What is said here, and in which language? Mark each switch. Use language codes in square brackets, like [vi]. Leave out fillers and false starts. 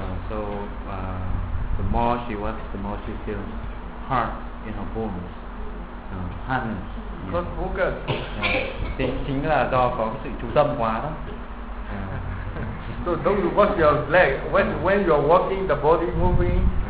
[en] So the more she works, the more she feels hard in her bones, hardness. Because focus. [vi] Chính là do có sự chú tâm quá đó. [en] So don't you watch your leg when you are walking, the body moving.